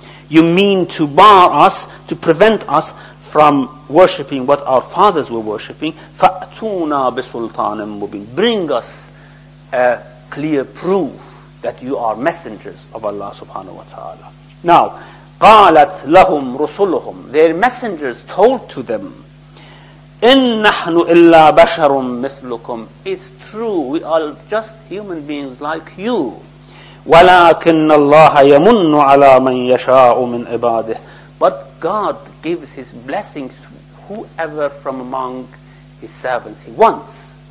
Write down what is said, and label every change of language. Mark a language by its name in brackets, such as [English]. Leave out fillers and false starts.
[English] You mean to bar us, to prevent us from worshipping what our fathers were worshipping. [Arabic] فَأْتُونَا بِسُلْطَانٍ مُّبِينٍ. [English] Bring us a clear proof that you are messengers of Allah subhanahu wa ta'ala. Now, [Arabic] قَالَتْ لَهُمْ رُسُلُهُمْ. [English] Their messengers told to them, [Arabic] إِن نَحْنُ إِلَّا بَشَرٌ مِثْلُكُمْ. [English] It's true, we are just human beings like you. [Arabic] وَلَكِنَّ اللَّهَ يَمُنُّ عَلَىٰ مَنْ يَشَاءُ مِنْ عِبَادِهِ. [English] But God gives His blessings to whoever from among His servants He wants.